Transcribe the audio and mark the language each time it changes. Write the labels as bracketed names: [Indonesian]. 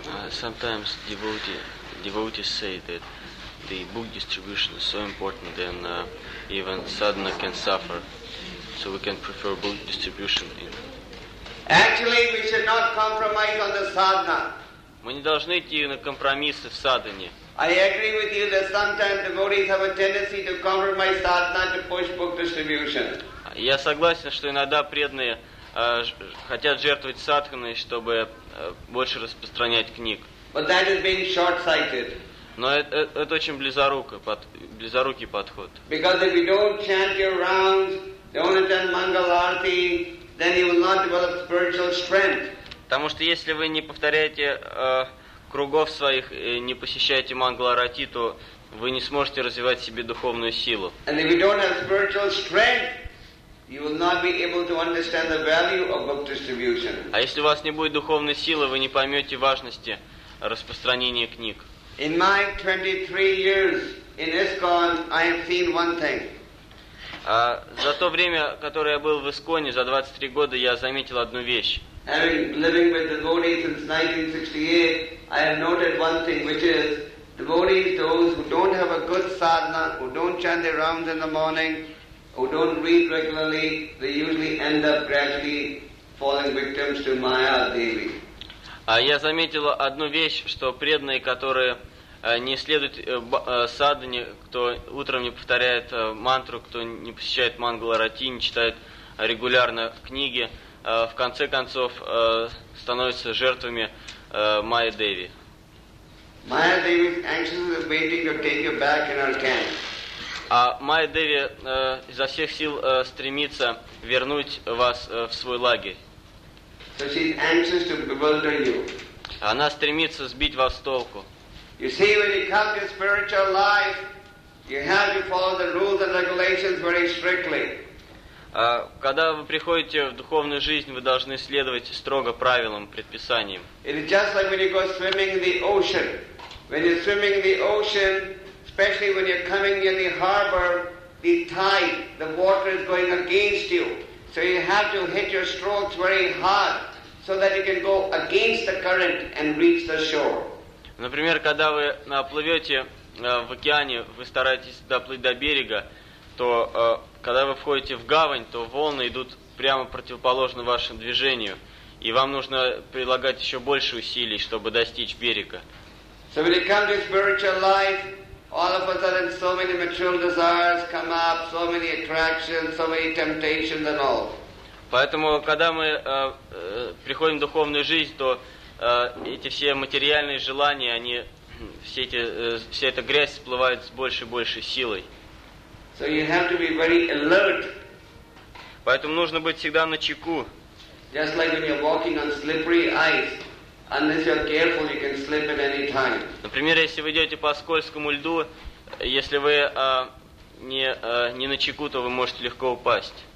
[English] Sometimes devotees say that the book distribution is so important that even sadhana can suffer. So we can prefer book distribution. Actually, we should not compromise on the sadhana. [Russian] Мы не должны идти на компромиссы в садхане. [English] I agree with you that sometimes devotees have a tendency to compromise sadhana to push book distribution. [Russian] Я согласен, что иногда преданные хотят жертвовать садханой, чтобы больше распространять книг. [English] But that is being short-sighted. [Russian] Но это очень близорукий подход. [English] Because if you don't chant your rounds, don't attend Mangal Arati, then you will not develop spiritual strength. [Russian] Потому что если вы не повторяете кругов своих, не посещаете Мангал Арати, то вы не сможете развивать себе духовную силу. [English] And if you don't have spiritual strength, you will not be able to understand the value of book distribution. [Russian] А если у вас не будет духовной силы, вы не поймете важности распространения книг. [English] In my 23 years in ISKCON, I have seen one thing. [Russian] За то время, которое я был в ИСККОНе, за 23 года, я заметил одну вещь. [English] Having living with devotees since 1968, I have noted one thing, which is devotees, those who don't have a good sadhana, who don't chant their rounds in the morning, who don't read regularly, they usually end up gradually falling victims to Maya Devi. [Russian] Я заметил одну вещь, что преданные, которые не следуют садхане, кто утром не повторяет мантру, кто не посещает Мангал Арати, не читает регулярно книги, в конце концов становятся жертвами Майя Деви. [English] Майя Деви is anxiously waiting to take you back in her camp. [Russian] А Майя Деви изо всех сил стремится вернуть вас в свой лагерь. [English] So she's anxious to bewilder you. [Russian] Она стремится сбить вас с толку. [English] You see, when you come to spiritual life, you have to follow the rules and regulations very strictly. [Russian] Когда вы приходите в духовную жизнь, вы должны следовать строго правилам, предписаниям. [English] It is just like when you go swimming in the ocean. When you're swimming in the ocean, especially when you're coming near the harbor, the tide, the water is going against you. So you have to hit your strokes very hard so that you can go against the current and reach the shore. [Russian] Например, когда вы плывете в океане, вы стараетесь доплыть до берега, то когда вы входите в гавань, то волны идут прямо противоположно вашему движению, и вам нужно прилагать еще больше усилий, чтобы достичь берега. [English] So when you come to spiritual life, All of a sudden so many material desires come up, so many attractions, so many temptations and all. [Russian] Поэтому, когда мы приходим в духовную жизнь, то эти все материальные желания, они, все эти, вся эта грязь всплывает с большей и большей силой. [English] So you have to be very alert. [Russian] Поэтому нужно быть всегда на чеку. [English] Just like when you're walking on slippery ice, unless you're careful, you can slip at any time. [Russian] Например, если вы идете по скользкому льду, если вы не на чеку, то вы можете легко упасть.